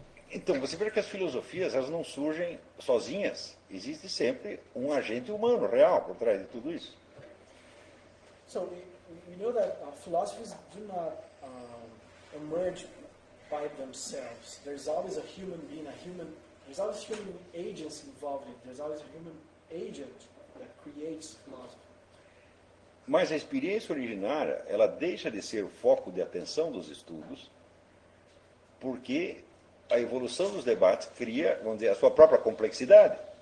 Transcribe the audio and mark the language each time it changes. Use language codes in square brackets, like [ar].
[pt] Então, você vê que as filosofias, elas não surgem sozinhas. Existe sempre um agente humano real por trás de tudo isso. [en] So, we know that philosophies do not emerge by themselves. There's always a human being, there's always human agents involved in it. There's always a human agent that creates philosophy. [pt] Mas a experiência originária, ela deixa de ser o foco de atenção dos estudos, porque a evolução dos debates cria, vamos dizer, a sua própria complexidade.